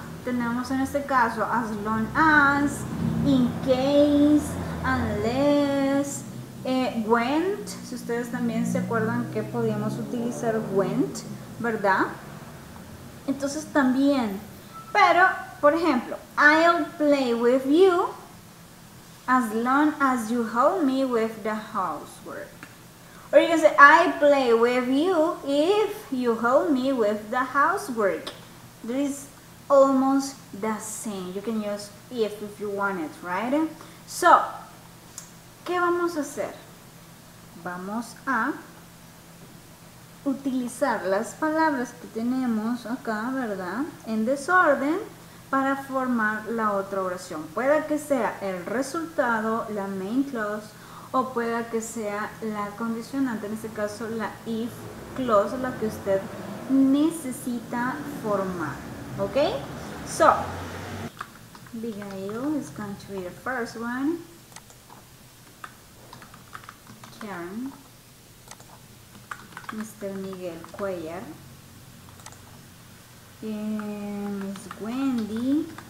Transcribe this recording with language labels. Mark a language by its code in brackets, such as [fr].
[es] Tenemos en este caso [en] as long as, [es] in case, unless, went. Si ustedes también se acuerdan que podíamos utilizar went ¿verdad? Entonces también. Pero, por ejemplo, [en] I'll play with you as long as you help me with the housework. Or you can say, I play with you if you help me with the housework. This is almost the same. You can use if you want it, right? [es] So, ¿qué vamos a hacer? Vamos a utilizar las palabras que tenemos acá, ¿verdad? En desorden para formar la otra oración. Puede que sea el resultado, la main clause, o pueda que sea la condicionante, en este caso la if clause, la que usted necesita formar. ¿Ok? [en] So, Abigail is going to be the first one. Karen. Mr. Miguel Cuellar. Ms. Wendy.